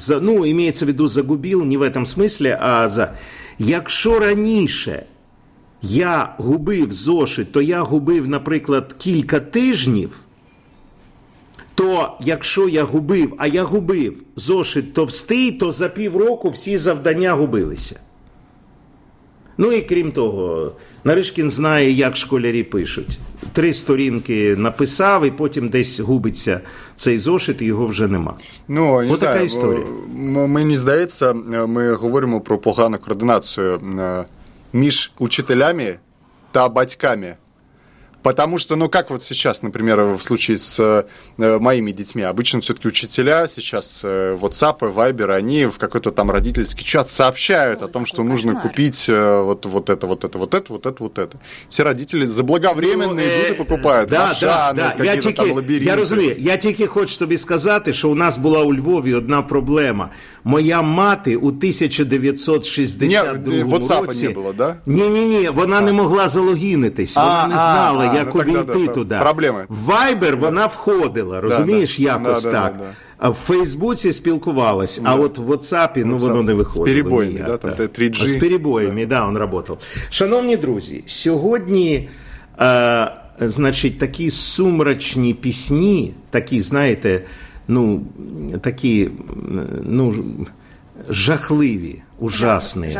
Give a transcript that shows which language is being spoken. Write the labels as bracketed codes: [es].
[ru] Ну, имеется в виду загубил, не в этом смысле, а за... [uk] Якщо раніше я губив зошит, то я губив, наприклад, кілька тижнів, то якщо я губив, а я губив зошит товстий, то за півроку всі завдання губилися. Ну і крім того, Нарышкін знає, як школярі пишуть. Три сторінки написав, і потім десь губиться цей зошит, і його вже нема. Ну, не знаю, така історія. Мені здається, ми говоримо про погану координацію між учителями та батьками. [ru] Потому что, ну как вот сейчас, например, в случае с моими детьми, обычно все-таки учителя сейчас, WhatsApp, Viber, они в какой-то там родительский чат сообщают о том, что нужно купить вот это. Все родители заблаговременно идут и покупают Машаны, какие-то там лабиринты. [uk] Я розумію, я тільки хочу тобі сказати, що у нас була у Львові одна проблема. Моя мати у 1962 році... WhatsApp не було, да? Ні-ні-ні, вона не могла залогінитись, вона не знала. Як увійти туди. Проблеми. Вайбер, вона входила, розумієш, якось так. В Фейсбуці спілкувалась, а от в WhatsApp, ну, воно не виходило. З перебоями, там 3G. З перебоями, да, він работав. Шановні друзі, сьогодні, значить, такі сумрачні пісні, такі, знаєте, ну, такі, ну, жахливі, ужасні.